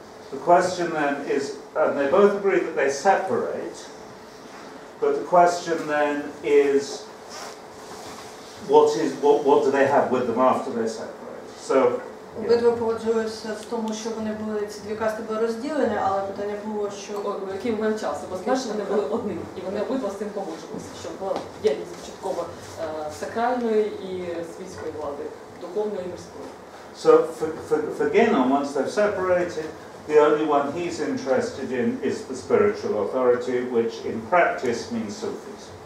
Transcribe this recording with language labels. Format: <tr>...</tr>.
<en>The question then is, and they both agree that they separate, but the question then is, what do they have with them after they separate? So</en> <uk>обидва погоджуються з тому, що вони були, ці дві касти були розділені, але питання було, що в який момент часу, бо знаєш, вони були одним, і вони обидва з цим погоджувалися, що була єдність початково сакральної і світської влади, духовної і мирської.</uk> <en>So for Genon, once they've separated, the only one he's interested in is the spiritual authority, which in practice means Sufis.</en>